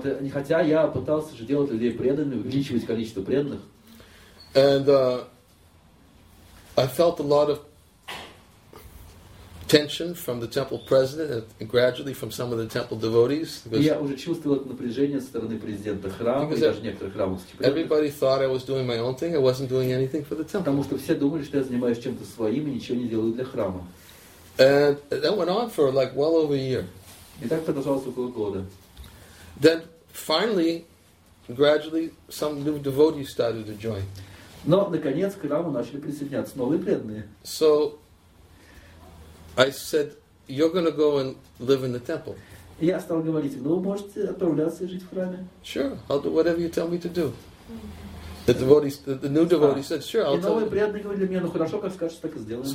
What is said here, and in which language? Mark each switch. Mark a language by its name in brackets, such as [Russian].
[Russian] Хотя я пытался же делать людей преданными, увеличивать количество преданных. [English] And I felt a lot of tension from the temple president and gradually from some of the temple devotees. [Russian] Я уже чувствовал это напряжение со стороны президента храма и даже некоторых храмовских преданных. [English] Everybody thought I was doing my own thing. I wasn't doing anything for the temple. [Russian] Потому что все думали, что я занимаюсь чем-то своим и ничего не делаю для храма. [English] And that went on for like well over a year. [Russian] И так продолжалось около года. [English] Then finally, gradually, some new devotees started to join. [Russian] Но наконец к храму начали присоединяться новые преданные. [English] So I said, you're going to go and live in the temple. [Russian] Я стал говорить, ну, можете отправляться и жить в храме. [English] Sure, I'll do whatever you tell me to do. The devotees, the new devotee said, sure, I'll do it. [Russian] И новые преданные говорили мне, ну хорошо, как скажешь, так и сделаем.